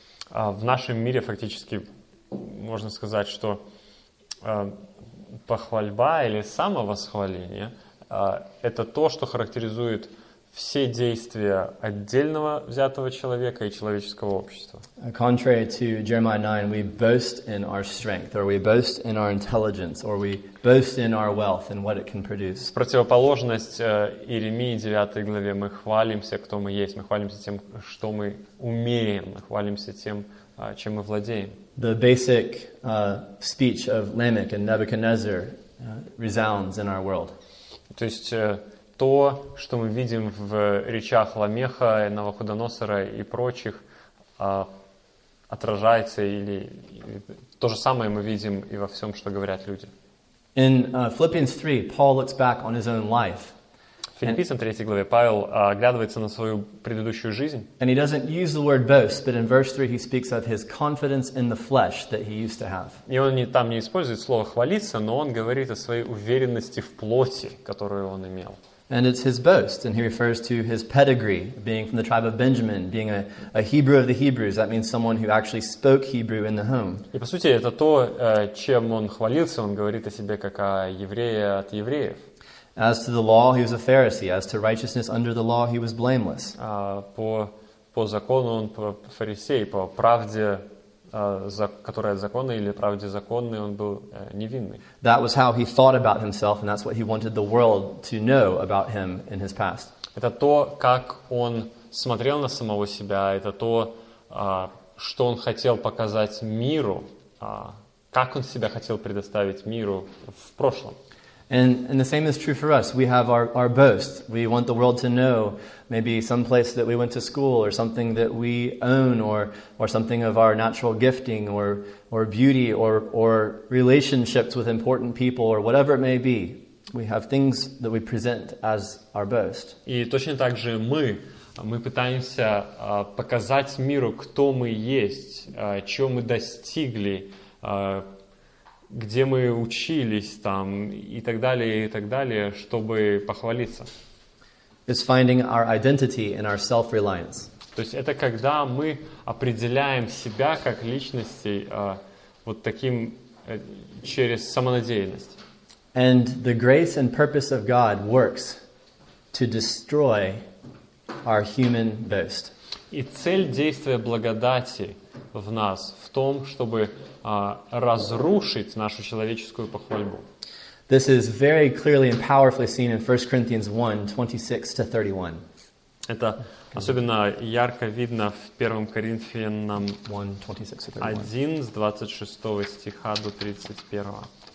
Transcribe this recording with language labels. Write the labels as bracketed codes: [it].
[ru] В нашем мире фактически можно сказать, что похвальба или самовосхваление — это то, что характеризует все действия отдельного взятого человека и человеческого общества. [en] Contrary to Jeremiah 9, we boast in our strength, or we boast in our intelligence, or we boast in our wealth and what it can produce. [ru] В противоположность Иеремии 9 главе мы хвалимся, кто мы есть, мы хвалимся тем, что мы умеем, мы хвалимся тем, чем мы владеем. [en] The basic speech of Lamech and Nebuchadnezzar resounds in our world. [ru] То есть то, что мы видим в речах Ламеха, Навуходоносора и прочих, отражается или то же самое мы видим и во всем, что говорят люди. [en] In Philippians 3, Paul looks back on his own life. [ru] В Филиппийцам 3 главе Павел оглядывается на свою предыдущую жизнь. [en] And he doesn't use the word boast, but in verse 3 he speaks of his confidence in the flesh that he used to have. [ru] И он там не использует слово хвалиться, но он говорит о своей уверенности в плоти, которую он имел. [en] And it's his boast, and he refers to his pedigree, being from the tribe of Benjamin, being a Hebrew of the Hebrews. That means someone who actually spoke Hebrew in the home. [ru] И по сути это то, чем он хвалился. Он говорит о себе как о еврее от евреев. [en] As to the law, he was a Pharisee. As to righteousness under the law, he was blameless. [ru] По закону он фарисей, по правде. Которая законная или правде законной, он был невинный. [en] That was how he thought about himself, and that's what he wanted the world to know about him in his past. [ru] Это то, как он смотрел на самого себя, это то, что он хотел показать миру, как он себя хотел предоставить миру в прошлом. [en] And the same is true for us. We have our boast. We want the world to know maybe some place that we went to school or something that we own or something of our natural gifting or beauty or relationships with important people or whatever it may be. We have things that we present as our boast. [ru] И точно так же мы пытаемся показать миру, кто мы есть, чего мы достигли, где мы учились там и так далее, чтобы похвалиться. [en] It's finding our identity in our self-reliance. [ru] То есть это когда мы определяем себя как личности вот таким через самонадеянность. [en] And the grace and purpose of God works to destroy our human boast. [ru] И цель действия благодати в нас в том, чтобы разрушить нашу человеческую похвальбу. [en] This is very clearly and powerfully seen in 1 Corinthians 1:26-31. [ru] Это особенно ярко видно в 1 Коринфянам 1:26-31.